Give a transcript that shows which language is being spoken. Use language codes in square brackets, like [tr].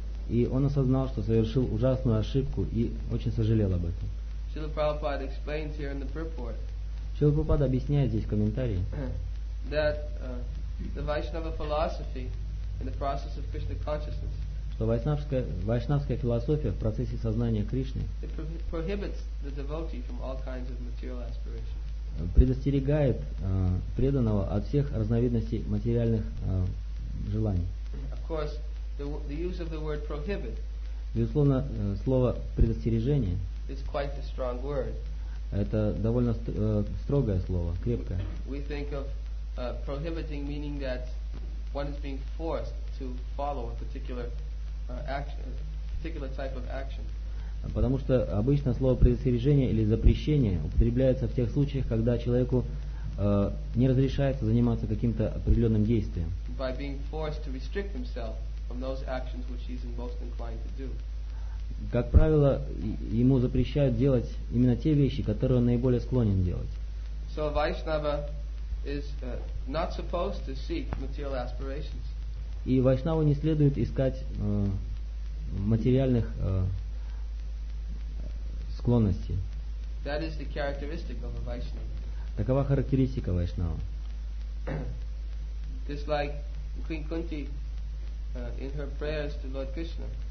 [ru] И он осознал, что совершил ужасную ошибку и очень сожалел об этом. [en] Шрила Прабхупада explains here in the purport. [ru] Шрила Прабхупада объясняет здесь в комментарии, [en] that the Vaishnava philosophy in the process of Krishna consciousness, [ru] что вайшнавская философия в процессе сознания Кришны [en] prohibits the devotee from all kinds of material aspirations. [ru] Предостерегает преданного от всех разновидностей материальных желаний. [en] Of course, the use of the word prohibit, [ru] безусловно, слово «предостережение» — [en] it's quite a strong word. [ru] Это довольно строгое слово, крепкое. [en] We think of prohibiting meaning that one is being forced to follow a particular action, a particular type of action. [ru] Потому что обычно слово «предостережение» или «запрещение» употребляется в тех случаях, когда человеку не разрешается заниматься каким-то определенным действием. [en] By being forced to restrict himself from those actions which he's most inclined to do. [ru] Как правило, ему запрещают делать именно те вещи, которые он наиболее склонен делать. [en] So Vaishnava is not supposed to seek material aspirations. [ru] И вайшнаву не следует искать материальных склонности. [en] That is the characteristic of a Vaishnava. [ru] Такова характеристика вайшнава. [en] Just like Queen Kunti in her prayers to Lord Krishna.